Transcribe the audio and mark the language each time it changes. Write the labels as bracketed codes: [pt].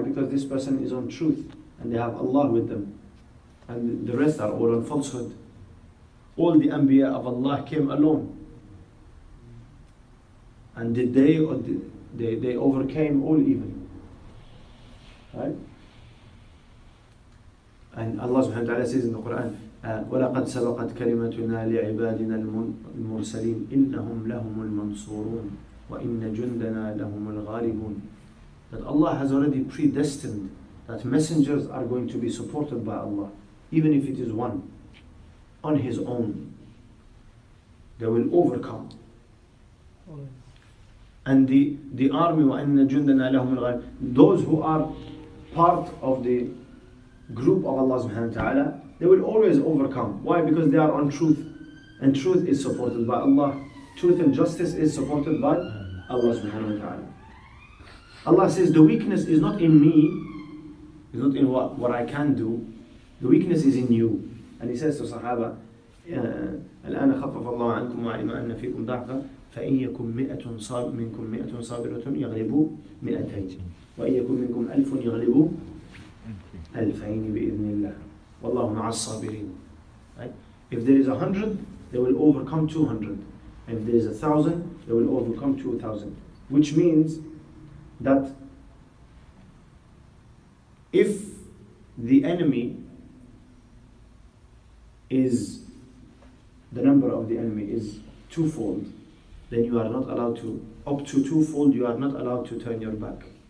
[en] Because this person is on truth and they have Allah with them, and the rest are all on falsehood. All the Anbiya of Allah came alone, and did they overcame all evil, right? And Allah subhanahu wa ta'ala says in the Quran, [ar] وَلَقَدْ سَبَقَتْ كَلِمَتُنَا لِعِبَادِنَا الْمُرْسَلِينَ إِنَّهُمْ لَهُمُ الْمَنْصُورُونَ وَإِنَّ جُنْدَنَا لَهُمُ الْغَالِبُونَ. [en] That Allah has already predestined that messengers are going to be supported by Allah, even if it is one, on his own. They will overcome. And the army, [ar] وَإِنَّ جُنْدَنَا لَهُمُ الْغَالِبُونَ, [en] those who are part of the group of Allah subhanahu wa ta'ala, they will always overcome. Why? Because they are on truth. And truth is supported by Allah. Truth and justice is supported by Allah subhanahu wa ta'ala. Allah says, the weakness is not in me, it's not in what I can do. The weakness is in you. And he says to Sahaba, [ar] الآن خفف الله عنكم وعلم أن فيكم ضعفا فإن يكن مئة منكم مئة صابرة يغلبوا مئتين وإن يكن منكم ألف يغلبوا ألفين بإذن الله. Allah مع الصابرين. [en] Right? If there is 100, they will overcome 200. If there is 1,000, they will overcome 2,000. Which means that if the enemy is, the number of the enemy is twofold, then you are not allowed to, up to twofold, you are not allowed to turn your back.